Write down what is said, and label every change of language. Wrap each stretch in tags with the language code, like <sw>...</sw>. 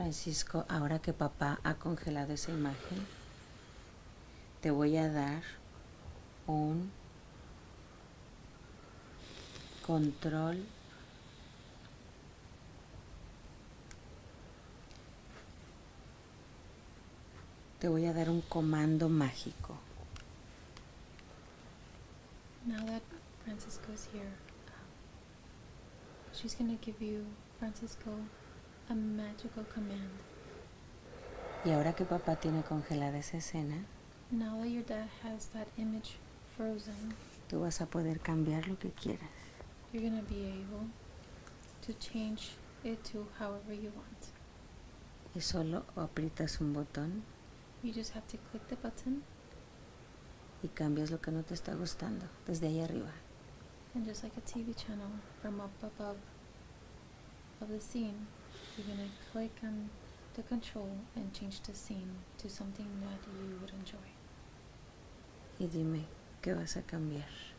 <es>Francisco, ahora que papá ha congelado esa imagen, te voy a dar un control comando mágico.</es> <en>Now that Francisco is here, she's gonna give you, Francisco, a magical command.</en> <es>Y ahora que papá tiene congelada esa escena,</es> <en>now that your dad has that image frozen,</en> <es>tú vas a poder cambiar lo que quieras.</es> <en>You're gonna be able to change it to however you want.</en> <es>Y solo aprietas un botón.</es> <en>You just have to click the button.</en> <es>Y cambias lo que no te está gustando, desde ahí arriba.</es> <en>And just like a TV channel, from up above of the scene, you're gonna click on the control and change the scene to something that you would enjoy.</en> <es>Y dime, ¿qué vas a cambiar?</es>